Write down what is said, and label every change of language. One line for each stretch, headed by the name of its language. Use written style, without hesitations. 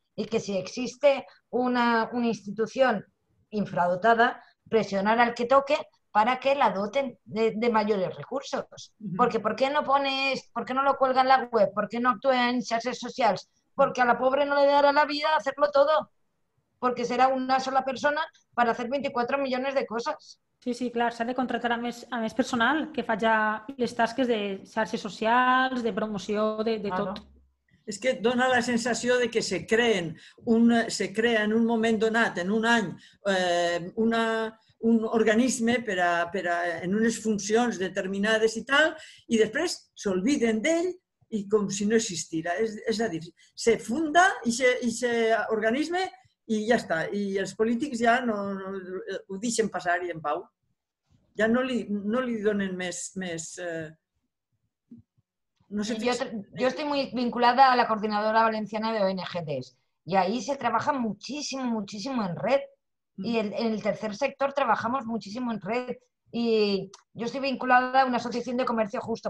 Spanish: Y que si existe una institución infradotada, presionar al que toque para que la doten de mayores recursos. Uh-huh. Porque ¿por qué no lo cuelga en la web? ¿Por qué no actúa en redes sociales? Porque a la pobre no le dará la vida hacerlo todo. Porque será una sola persona para hacer 24 millones de cosas.
Catalan: Sí, sí, clar, s'ha de contratar a més personal que faci les tasques de xarxes socials, de promoció, de tot. No. És que dona la sensació de que se crea en un moment donat, en un any, un organisme per a en unes funcions determinades i tal, i després s'olviden d'ell i com si no existira. És a dir, se funda ixe organisme i ja està. I els polítics ja no ho deixen passar i en pau. Ja no li donen més
Spanish: No sé, yo estoy muy vinculada a la Coordinadora Valenciana de ONGTs y ahí se trabaja muchísimo, muchísimo en red. Y en el tercer sector trabajamos muchísimo en red. Y yo estoy vinculada a una asociación de comercio justo.